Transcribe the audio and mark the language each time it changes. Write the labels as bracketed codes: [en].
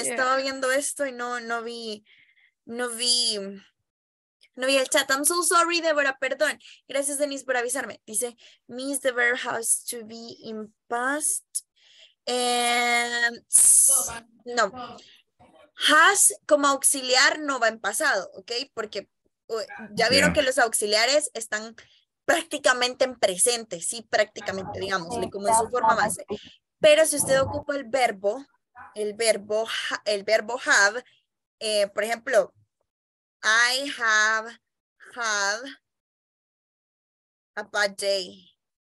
[es] Estaba viendo esto y no vi el chat. [en] I'm so sorry, [es] Deborah. Perdón. Gracias, Denise, por avisarme. [en] Dice, Miss, the verb has to be in past. And no. [es] Has como auxiliar no va en pasado, ¿ok? Porque ya vieron que los auxiliares están prácticamente en presente, sí, prácticamente, digámosle, como en su forma base. Pero si usted ocupa el verbo have, por ejemplo, [en] I have had a bad day.